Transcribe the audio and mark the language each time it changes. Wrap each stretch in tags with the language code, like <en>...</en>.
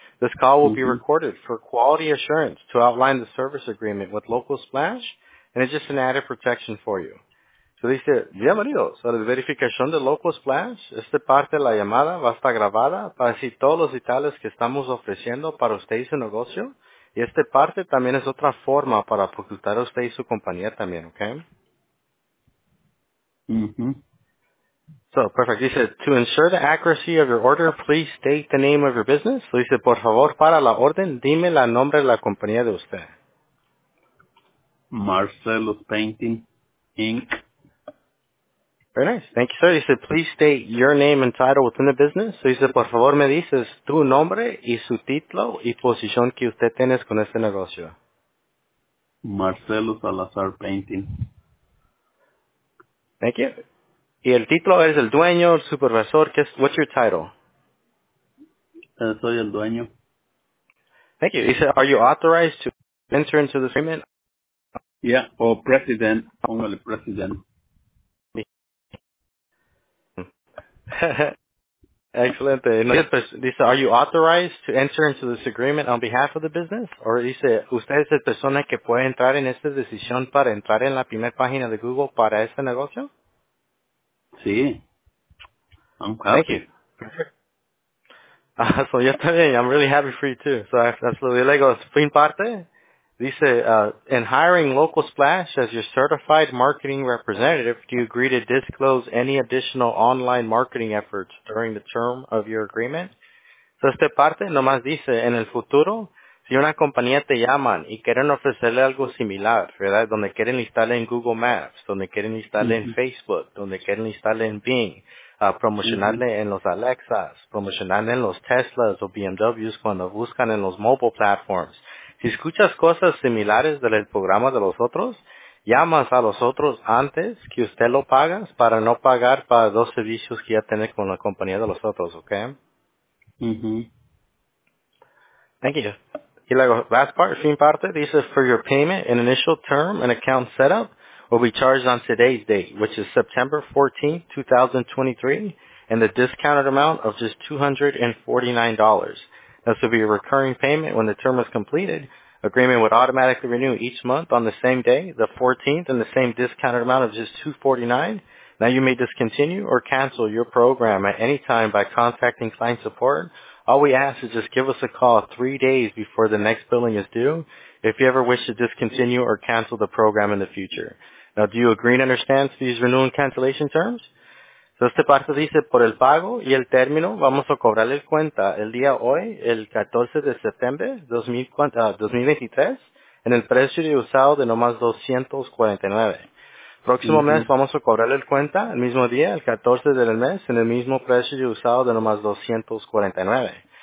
<en>This call will be recorded for quality assurance to outline the service agreement with Local Splash, and it's just an added protection for you.</en> <es>So dice, bienvenidos a la verificación de Local Splash. Esta parte de la llamada va a estar grabada para decir todos los detalles que estamos ofreciendo para usted y su negocio. Y esta parte también es otra forma para ocultar a usted y su compañía también, okay?</es> <en>So, perfect. He said, to ensure the accuracy of your order, please state the name of your business. So, he said,</en> <es>por favor, para la orden, dime la nombre de la compañía de usted.</es> <en>Marcelo's Painting, Inc. Very nice. Thank you, sir. He said, please state your name and title within the business.</en> <es>So, he said, por favor, me dices tu nombre y su título y posición que usted tienes con este negocio.</es> <en>Marcelo Salazar Painting. Thank you.</en> <es>Y el título es el dueño, el supervisor. ¿Qué es?</es> <en>What's your title?</en> <es>Soy el dueño.</es> <en>Thank you. He said, are you authorized to enter into this agreement? Yeah, or president.</en> <es>Póngale</es> <en>president.</en> <es>Excelente.</es> <en>Dice, are you authorized to enter into this agreement on behalf of the business?</en> <es>Or dice, usted es la persona que puede entrar en esta decisión para entrar en la primera página de Google para este negocio?</es> <en>Sí. I'm happy. Thank you. So,</en> <es>yo también.</es> <en>I'm really happy for you, too. So, absolutely.</en> <es>Luego, fin parte.</es> <en>Dice, in hiring Local Splash as your certified marketing representative, do you agree to disclose any additional online marketing efforts during the term of your agreement?</en> <es>So, esta parte nomás dice, en el futuro, si una compañía te llaman y quieren ofrecerle algo similar, ¿verdad? Donde quieren instalarle en Google Maps, donde quieren instalarle en Facebook, donde quieren instalarle en Bing, promocionarle en los Alexas, promocionarle en los Teslas o BMWs cuando buscan en los</es> <en>mobile platforms.</en> <es>Si escuchas cosas similares del programa de los otros, llamas a los otros antes que usted lo pagas para no pagar para dos servicios que ya tiene con la compañía de los otros, ¿ok?</es> <en>Thank you.</en> <es>Y luego,</es> <en>last part,</en> <es>fin parte, dice,</es> <en>for your payment, an initial term and account setup will be charged on today's date, which is September 14, 2023, and the discounted amount of just $249. This will be a recurring payment when the term is completed. Agreement would automatically renew each month on the same day, the 14th, and the same discounted amount of just $249. Now you may discontinue or cancel your program at any time by contacting client support. All we ask is just give us a call 3 days before the next billing is due if you ever wish to discontinue or cancel the program in the future. Now, do you agree and understand these renewal and cancellation terms?</en> <es>So, este parte dice, por el pago y el término, vamos a cobrarle cuenta el día hoy, el 14 de septiembre 2023, en el precio de usado de nomás $249. Próximo mes, vamos a cobrarle cuenta el mismo día, el 14 del mes, en el mismo precio de usado de nomás $249.</es>